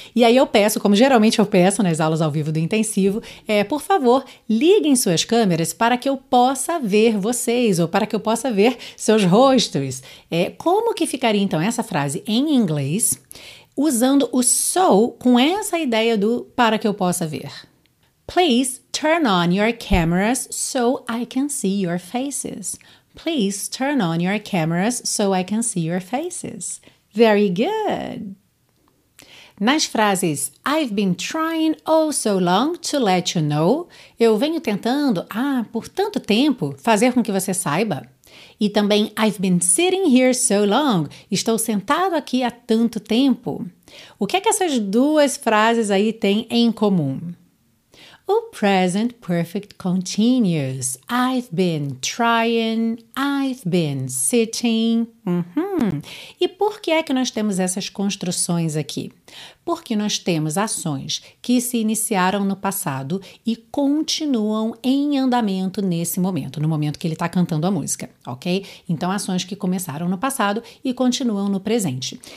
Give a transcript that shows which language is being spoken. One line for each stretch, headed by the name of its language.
Portuguese: E aí eu peço, como geralmente eu peço nas aulas ao vivo do intensivo, por favor, liguem suas câmeras para que eu possa ver vocês ou para que eu possa ver seus rostos. Como que ficaria então essa frase em inglês usando o so com essa ideia do para que eu possa ver?
English: Please turn on your cameras so I can see your faces. Please turn on your cameras so I can see your faces. Very good.
Portuguese: Nas frases
English: I've been trying all so long to let you know,
Portuguese: eu venho tentando por tanto tempo fazer com que você saiba. E também
English: I've been sitting here so long,
Portuguese: estou sentado aqui há tanto tempo. O que é que essas duas frases aí têm em comum?
English: O present perfect continuous. I've been trying, I've been sitting.
Portuguese: E por que é que nós temos essas construções aqui? Porque nós temos ações que se iniciaram no passado e continuam em andamento nesse momento, no momento que ele está cantando a música, ok? Então, ações que começaram no passado e continuam no presente.